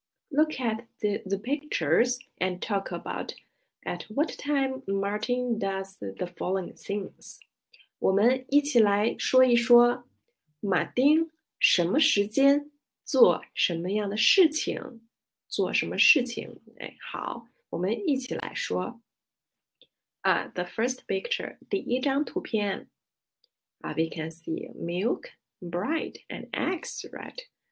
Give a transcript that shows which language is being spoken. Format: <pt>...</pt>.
<en>Look at the pictures and talk about at what time Martin does the following things.</en> <zh>我们一起来说一说，马丁什么时间做什么样的事情？做什么事情？哎，好，我们一起来说。</zh> <en>The first picture,</en> <zh>第一张图片，</zh> <en>we can see milk, bread, and eggs, right?</en>